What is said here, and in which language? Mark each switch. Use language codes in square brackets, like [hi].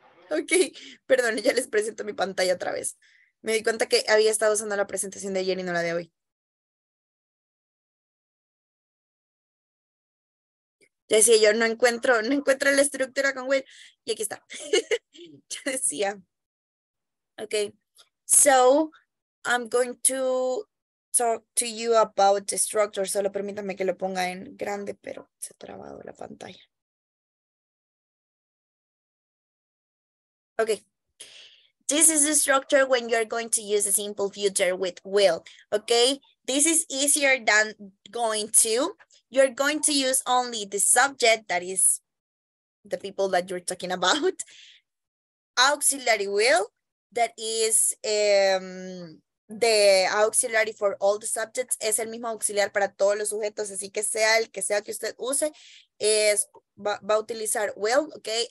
[es] Ok, perdón, ya les presento mi pantalla otra vez. Me di cuenta que había estado usando la presentación de ayer y no la de hoy. Ya decía yo, no encuentro la estructura con Will. Y aquí está. Ya decía. Ok. [en] So, I'm going to talk to you about the structure. [es] Solo permítanme que lo ponga en grande, pero se ha trabado la pantalla. Ok. [en] This is the structure when you're going to use a simple future with will. Ok. This is easier than going to. You're going to use only the subject, that is the people that you're talking about. Auxiliary will, that is the auxiliary for all the subjects. [es] Es el mismo auxiliar para todos los sujetos, así que sea el que sea que usted use, va a utilizar will, okay?